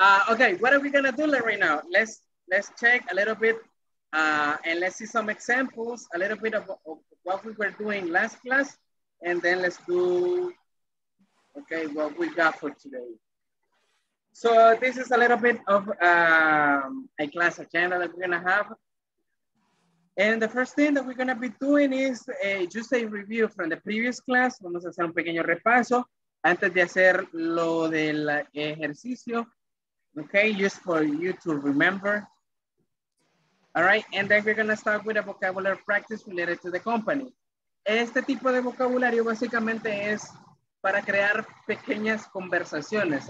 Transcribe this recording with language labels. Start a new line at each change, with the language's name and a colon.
English: Okay, what are we gonna do right now? Let's check a little bit and let's see some examples, a little bit of what we were doing last class, and then let's do, okay, what we got for today. So this is a little bit of a class agenda that we're gonna have. And the first thing that we're gonna be doing is just a review from the previous class.
Spanish: Vamos a hacer un pequeño repaso antes de hacer lo del ejercicio.
English: Okay, just for you to remember. All right, and then we're gonna start with a vocabulary practice related to the company.
Spanish: Este tipo de vocabulario básicamente es para crear pequeñas conversaciones.